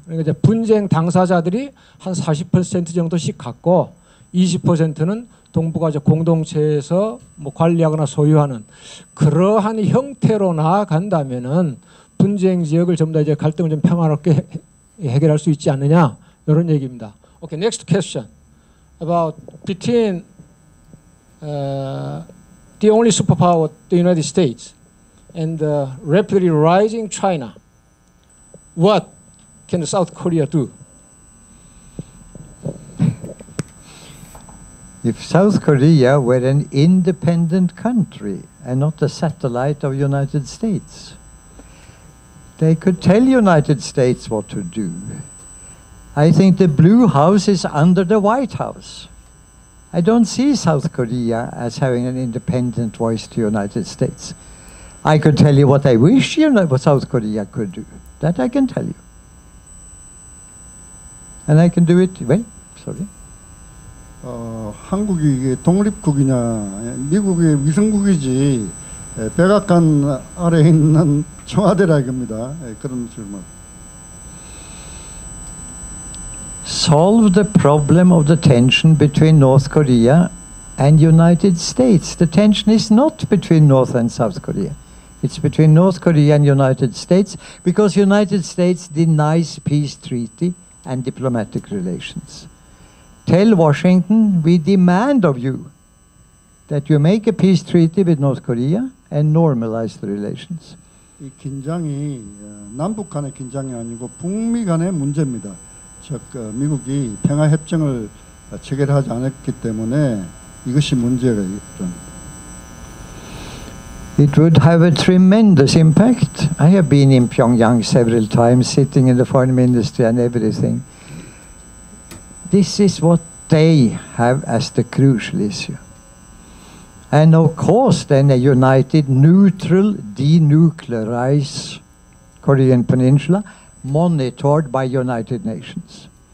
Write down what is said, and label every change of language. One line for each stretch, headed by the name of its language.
Korean: 그러니까 이제 분쟁 당사자들이 한 40% 정도씩 갖고 20%는 동북아 공동체에서 뭐 관리하거나 소유하는 그러한 형태로 나아간다면은 분쟁 지역을 좀 더 이제 갈등을 좀 평화롭게 해결할 수 있지 않느냐 이런 얘기입니다.
English: Okay, next question about between the only superpower, the United States, and the rapidly rising China. What can South Korea do? If South Korea were an independent country and not a satellite of the United States, they could tell United States what to do. I think the Blue House is under the White House. I don't see South Korea as having an independent voice to the United States. I could tell you what I wish you know, what South Korea could do. That I can tell you. And I can do it, well, sorry.
Korean: 한국이 독립국이냐, 미국의 위성국이지, 백악관 아래 있는 청와대라 이겁니다. 그런 질문.
English: Solve the problem of the tension between North Korea and United States. The tension is not between North and South Korea. It's between North Korea and United States because United States denies peace treaty and diplomatic relations. Tell Washington, we demand of you that you make a peace treaty with North Korea and normalize the relations.
Korean: 이 긴장이 남북 간의 긴장이 아니고 북미 간의 문제입니다. 즉 미국이 평화 협정을 체결하지 않았기 때문에 이것이 문제가 있던.
English: It would have a tremendous impact. I have been in Pyongyang several times, sitting in the foreign ministry and everything. This is what they have as the crucial issue. And of course, then a united, neutral, denuclearized Korean Peninsula monitored by United Nations.